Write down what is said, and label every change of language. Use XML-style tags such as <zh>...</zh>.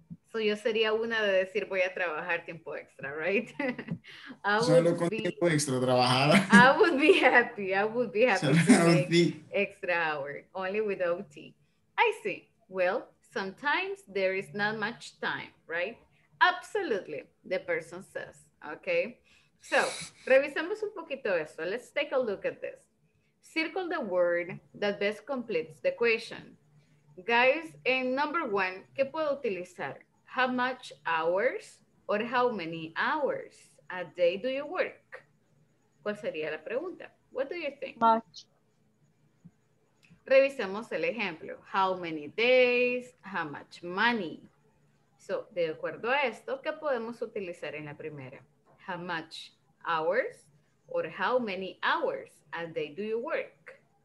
<es>So yo sería una de decir, voy a trabajar tiempo extra, right? Solo con tiempo extra trabajar.</es> <en>I would be happy to make extra hour, only with OT. I see. Well, sometimes there is not much time, right? Absolutely, the person says, okay? So,</en> <es>revisemos un poquito eso.</es> <en>Let's take a look at this. Circle the word that best completes the question. Guys, and number one,</en> <es>¿qué puedo utilizar?</es> <en>How much hours or how many hours a day do you work?</en> <es>¿Cuál sería la pregunta?</es> <en>What do you think? Much.</en> <es>Revisemos el ejemplo.</es> <en>How many days? How much money?</en> <es>So, de acuerdo a esto, ¿qué podemos utilizar en la primera?</es> <en>How much hours or how many hours a day do you work?</en>